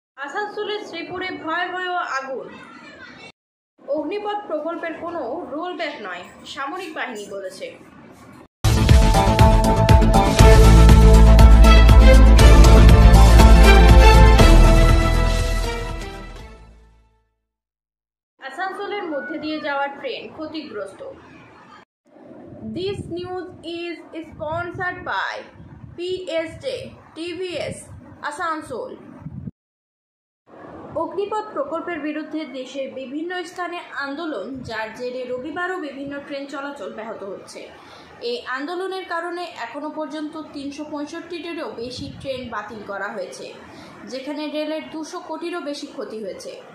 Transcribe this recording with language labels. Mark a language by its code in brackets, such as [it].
[bn] আসানসোলের শ্রীপুরে ভয় ভয় আগুন, অগ্নিপথ প্রকল্পের কোনো রোল ব্যাক নয়, সামরিক বাহিনী বলেছে। আসানসোলের মধ্যে দিয়ে যাওয়া ট্রেন ক্ষতিগ্রস্ত। [en] This news is sponsored by PSJ TVS Asansol. [bn] Agnipath প্রকল্পের বিরুদ্ধে দেশের বিভিন্ন স্থানে আন্দোলন, যার জেরে রবিবারও বিভিন্ন ট্রেন চলাচল ব্যাহত হচ্ছে। এই আন্দোলনের কারণে এখনও পর্যন্ত 365টিরও বেশি ট্রেন বাতিল করা হয়েছে, যেখানে রেলের 200 কোটিরও বেশি ক্ষতি হয়েছে।